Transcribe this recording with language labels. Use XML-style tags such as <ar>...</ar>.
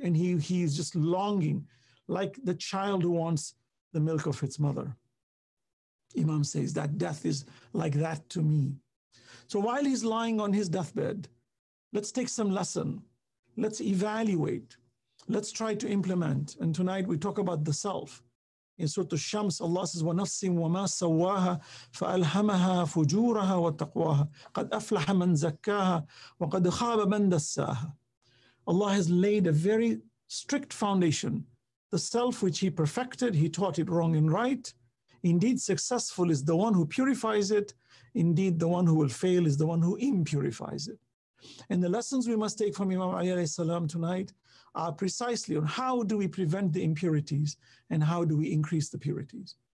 <en>And he's just longing, like the child who wants the milk of its mother. Imam says, that death is like that to me. So while he's lying on his deathbed, let's take some lesson. Let's evaluate. Let's try to implement. And tonight we talk about the self. In Surah Al-Shams, Allah says,</en> <ar>وَنَفْسٍ وَمَا سَوَّاهَا فَأَلْهَمَهَا فُجُورَهَا وَتَقْوَاهَا قَدْ أَفْلَحَ مَنْ زَكَّاهَا وَقَدْ خَابَ مَنْ دَسَّاهَا.</ar> <en>Allah has laid a very strict foundation. The self which he perfected, he taught it wrong and right. Indeed, successful is the one who purifies it. Indeed, the one who will fail is the one who impurifies it. And the lessons we must take from Imam Ali alayhi salam tonight are precisely on how do we prevent the impurities and how do we increase the purities.</en>